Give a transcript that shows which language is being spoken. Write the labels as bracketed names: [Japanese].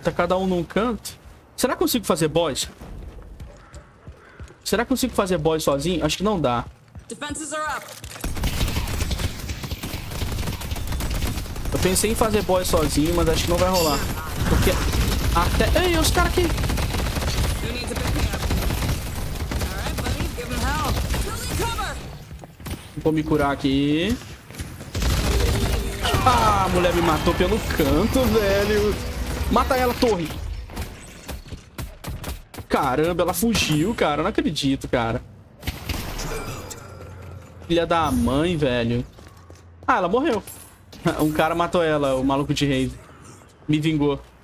[Portuguese] Tá cada um num canto. Será que consigo fazer boss? Será que consigo fazer boss sozinho? Acho que não dá. [English] Defenses are up. [Portuguese] Eu pensei em fazer boss sozinho, mas acho que não vai rolar. Porque até... Ei, os caras aqui... [English] Need to pick me up. All right, buddy, give him help. Building cover. [Portuguese] Vou me curar aqui. Ah, a mulher me matou pelo canto, velho. Mata ela, torre. Caramba, ela fugiu, cara. Não acredito, cara. Filha da mãe, velho. Ah, ela morreu. Um cara matou ela, o maluco de rave. Me vingou.